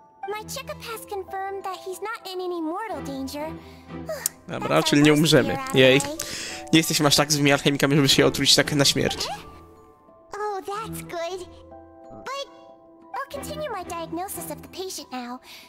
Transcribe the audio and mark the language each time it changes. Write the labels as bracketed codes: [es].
[en] My checkup has confirmed that he's not in any mortal danger. [pl] Dobra, czyli nie umrzemy. Jej. Nie jesteśmy aż tak złymi alchemikami, żeby się otruć tak na śmierć. [en] Oh, that's good. But I'll continue my diagnosis of the patient now.